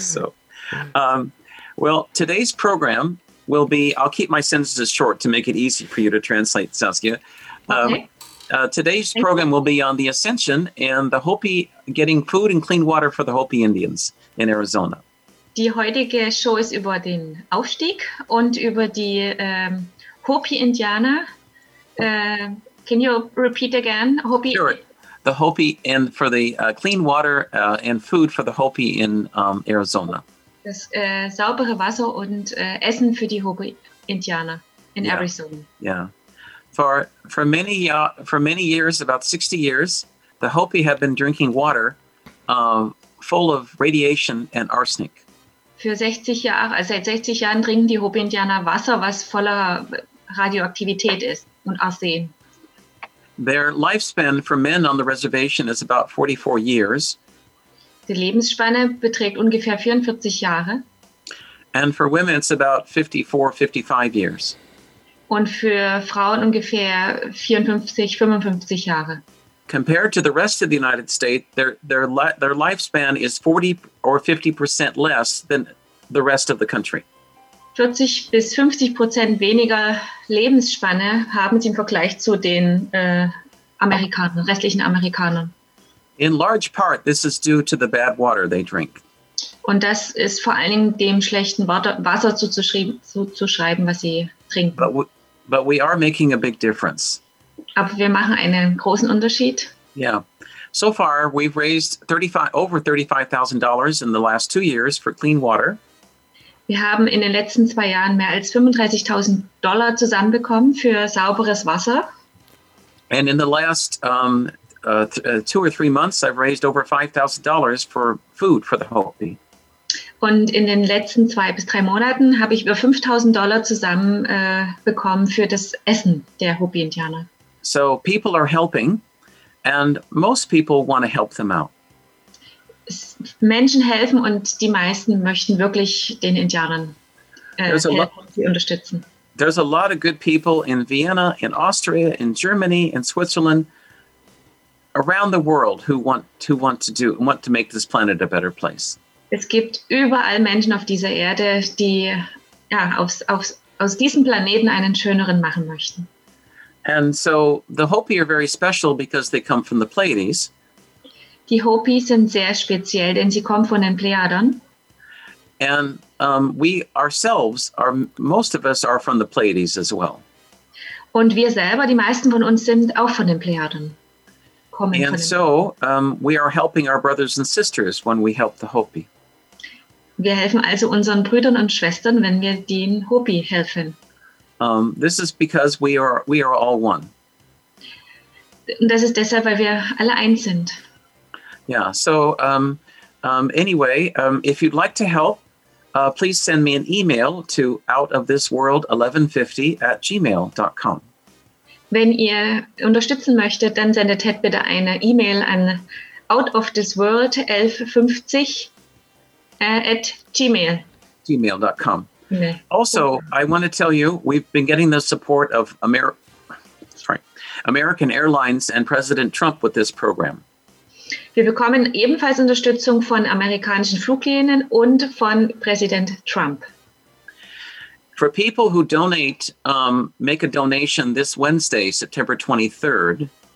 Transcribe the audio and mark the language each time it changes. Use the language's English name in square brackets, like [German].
[English] So, well, today's program will be, I'll keep my sentences short to make it easy for you to translate, Saskia. Today's program will be on the Ascension and the Hopi getting food and clean water for the Hopi Indians in Arizona. [German] Die heutige Show ist über den Aufstieg und über die Hopi Indianer. [English] Can you repeat again? Hopi. Sure. The Hopi and for the clean water and food for the Hopi in Arizona. [German] Das saubere Wasser und Essen für die Hopi Indianer in Arizona. [English] Yeah. For many years, about 60 years, the Hopi have been drinking water full of radiation and arsenic. [German] Für 60 Jahre, also seit 60 Jahren trinken die Hopi-Indianer Wasser, was voller Radioaktivität ist und Arsen. [English] Their lifespan for men on the reservation is about 44 years. [German] Die Lebensspanne beträgt ungefähr 44 Jahre. [English] And for women, it's about 54, 55 years. [German] Und für Frauen ungefähr 54, 55 Jahre. [English] Compared to the rest of the United States, their lifespan is 40 or 50% less than the rest of the country. [German] 40 bis 50% weniger Lebensspanne haben sie im Vergleich zu den restlichen Amerikanern. [English] In large part, this is due to the bad water they drink. [German] Und das ist vor allen Dingen dem schlechten Wasser zuzuschreiben, was sie trinken. [English] But we are making a big difference. [German] Aber wir machen einen großen Unterschied. [English] Yeah. So far, we've raised over $35,000 in the last 2 years for clean water. [German] Wir haben in den letzten zwei Jahren mehr als $35,000 zusammenbekommen für sauberes Wasser. [English] And in the last two or three months, I've raised over $5,000 for food for the Hopi. [German] Und in den letzten zwei bis drei Monaten habe ich über $5,000 zusammen bekommen für das Essen der Hopi-Indianer. [English] So people are helping and most people want to help them out. [German] Menschen helfen und die meisten möchten wirklich den Indianern helfen, sie unterstützen. [English] There's a lot of good people in Vienna, in Austria, in Germany, in Switzerland, around the world who want to make this planet a better place. [German] Es gibt überall Menschen auf dieser Erde, die ja, aus diesem Planeten einen schöneren machen möchten. [English] And so the Hopi are very special because they come from the Pleiades. [German] Die Hopi sind sehr speziell, denn sie kommen von den Plejaden. [English] And we ourselves are, most of us are from the Pleiades as well. [German] Und wir selber, die meisten von uns sind auch von den Plejaden. [English] And so we are helping our brothers and sisters when we help the Hopi. [German] Wir helfen also unseren Brüdern und Schwestern, wenn wir den Hopi helfen. [English] This is because we are all one. [German] Und das ist deshalb, weil wir alle eins sind. [English] Yeah, so if you'd like to help, please send me an email to outofthisworld1150@gmail.com. [German] Wenn ihr unterstützen möchtet, dann sendet Ted bitte eine E-Mail an outofthisworld1150@gmail.com. [English] Also, I want to tell you, we've been getting the support of American Airlines and President Trump with this program. [German] Wir bekommen ebenfalls Unterstützung von amerikanischen Fluglinien und von Präsident Trump. [English] For people who donate, make a donation this Wednesday, September 23rd,